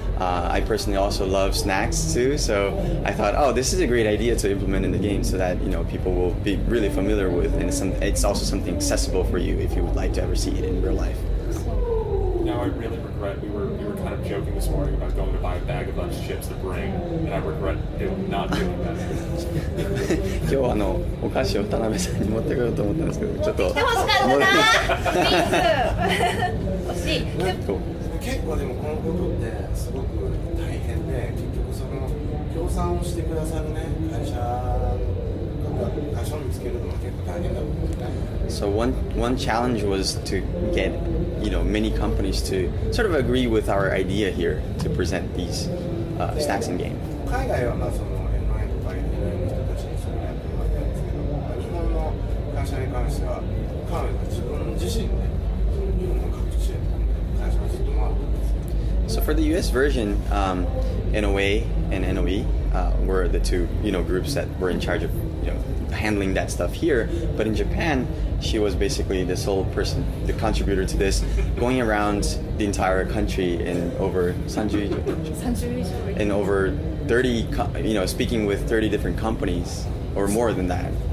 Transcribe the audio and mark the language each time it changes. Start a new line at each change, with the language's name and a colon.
English: I personally also love snacks too, so I thought, oh, this is a great idea to implement in the game so that, you know, people will be really familiar with, and it's also something accessible for you if you would like to ever see it in real life. Now I really regret, we were kind of joking this morning about going to buy a bag of lunch chips to bring, and I regret not doing that.
Japanese: 今日お菓子を田辺さんに持ってこようと思ったんですけど、ちょっと持ってきてほしかったな、ミンス。惜しい。結構でもこのことってすごく大変で、結局その協賛をしてくださるね、会社とか会社を見つけるのも結構大変だもんね。
English: So one challenge was to get, you know, many companies to sort of agree with our idea here to present these snacks in game.
Japanese: 海外はまあその NIN とか NIN の人たちにそれをやってもらったんですけど、日本の会社に関しては彼女が自分自身で日本の各地へ会社がずっと回ったんです。
English: So for the US version, NOA and NOE were the two, you know, groups that were in charge of, you know, handling that stuff here. But in Japan, she was basically the sole person, the contributor to this, going around the entire country in over 30, you know, speaking with 30 different companies or more than that.